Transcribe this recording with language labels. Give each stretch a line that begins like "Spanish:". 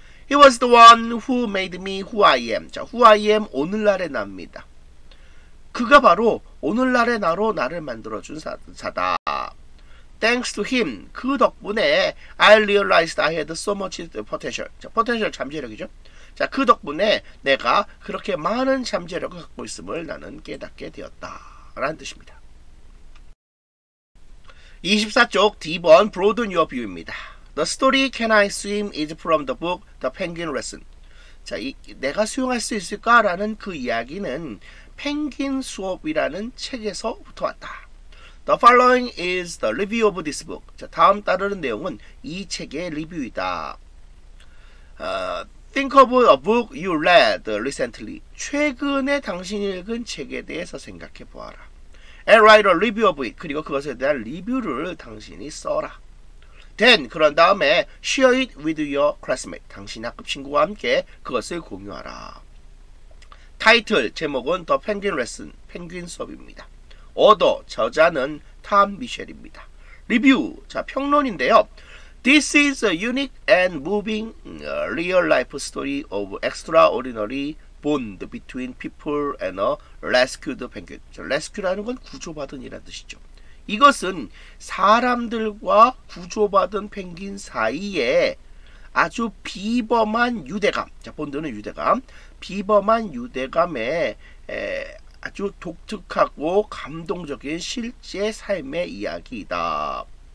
English: He was the one who made me who I am.
Korean: 자,
English: who I am
Korean: 오늘날의 나입니다. 그가 바로 오늘날의 나로 나를 만들어준 자다.
English: thanks to him,
Korean: 그 덕분에
English: I realized I had so much potential.
Korean: 자, potential 잠재력이죠. 자, 그 덕분에 내가 그렇게 많은 잠재력을 갖고 있음을 나는 깨닫게 되었다 라는 뜻입니다. 24쪽 D번 Broaden Your View입니다.
English: The story Can I Swim is from the book The Penguin Lesson.
Korean: 자, 이, 내가 수영할 수 있을까? 라는 그 이야기는 펭귄 수업이라는 책에서부터 왔다.
English: The following is the review of this book.
Korean: 자, 다음 따르는 내용은 이 책의 리뷰이다.
English: Think of a book you read recently.
Korean: 최근에 당신이 읽은 책에 대해서 생각해 보아라.
English: And write a review of it.
Korean: 그리고 그것에 대한 리뷰를 당신이 써라.
English: Then,
Korean: 그런 다음에
English: share it with your classmate.
Korean: 당신 학급 친구와 함께 그것을 공유하라. 타이틀, 제목은 The Penguin Lesson, 펭귄 수업입니다. Author, 저자는 탐 미셸입니다. Review, 자, 평론인데요.
English: This is a unique and moving real life story of extraordinary bond between people and a rescued penguin.
Korean: 자, rescue라는 건 구조받은 이란 뜻이죠. 이것은 사람들과 구조받은 펭귄 사이에 아주 비범한 유대감, 자, 본드는 유대감, 비범한 유대감에 아주 독특하고 감동적인 실제 삶의 이야기이다.